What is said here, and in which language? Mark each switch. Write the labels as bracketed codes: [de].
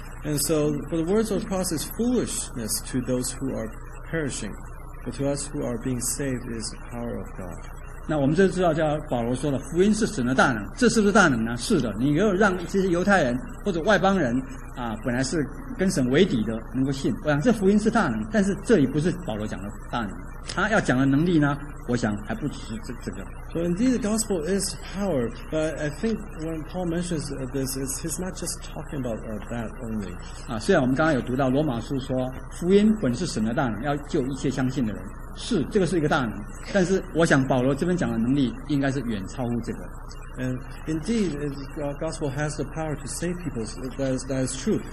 [en] And so for the words of the cross is foolishness to those who are. perishing, but to us who are being saved is the power of God. [zh] 那我们就知道，叫保罗说了，福音是神的大能，这是不是大能呢？是的，你如果让这些犹太人或者外邦人啊，本来是跟神为敌的，能够信，我想这福音是大能。但是这里不是保罗讲的大能，他要讲的能力呢，我想还不只是这个。 [en] So indeed, the gospel is power, but I think when Paul mentions this, he's not just talking about that only. [zh] 啊，虽然我们刚刚有读到罗马书说福音本是神的大能，要救一切相信的人，是这个是一个大能。但是我想保罗这边讲的能力应该是远超乎这个。 [en] And indeed, the gospel has the power to save people. That is true.